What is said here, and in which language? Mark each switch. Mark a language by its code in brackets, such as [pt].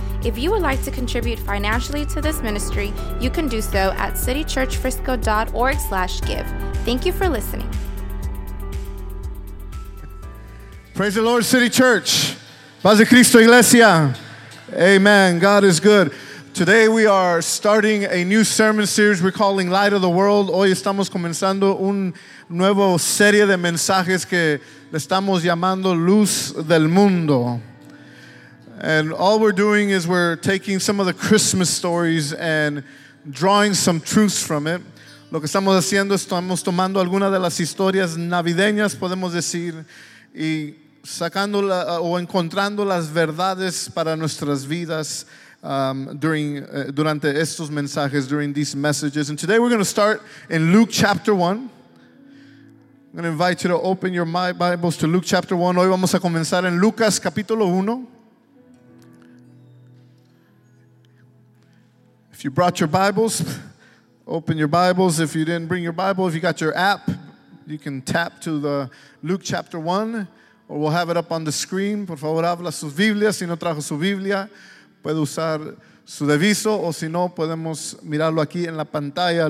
[en] If you would like to contribute financially to this ministry, you can do so at citychurchfrisco.org/give. Thank you for listening. Praise the Lord, City Church. [es] Paz de Cristo, Iglesia. [en] Amen. God is good. Today we are starting a new sermon series we're calling Light of the World. [es] Hoy estamos comenzando un nuevo serie de mensajes que le estamos llamando Luz del Mundo. [en] And all we're doing is we're taking some of the Christmas stories and drawing some truths from it. [es] Lo que estamos haciendo es estamos tomando algunas de las historias navideñas, podemos decir, y sacando la, o encontrando las verdades para nuestras vidas durante estos mensajes, [en] during these messages. And today we're going to start in Luke chapter 1. I'm going to invite you to open your Bibles to Luke chapter 1. [es] Hoy vamos a comenzar en Lucas capítulo 1. [en] If you brought your Bibles, open your Bibles. If you didn't bring your Bible, if you got your app, you can tap to the Luke chapter 1. Or we'll have it up on the screen. [es] Por favor, habla sus Biblias. Si no trajo su Biblia, puede usar su deviso. O si no, podemos mirarlo aquí en la pantalla.